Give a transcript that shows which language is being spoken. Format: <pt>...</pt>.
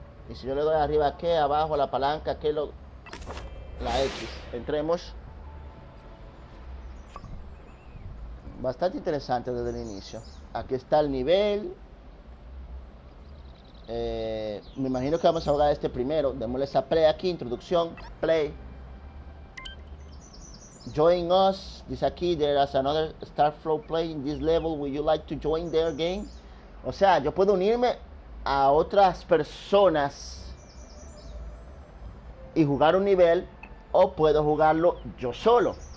<es>Y si yo le doy arriba, ¿qué? Abajo, la palanca, ¿qué? La X. Entremos. Bastante interesante desde el inicio. Aquí está el nivel. Me imagino que vamos a jugar este primero. Démosle esa play aquí, introducción.</es> <en>Play. Join us.</en> <es>Dice aquí,</es> <en>there is another Starflow playing this level. Would you like to join their game?</en> <es>O sea, yo puedo unirme a otras personas y jugar un nivel, o puedo jugarlo yo solo.</es>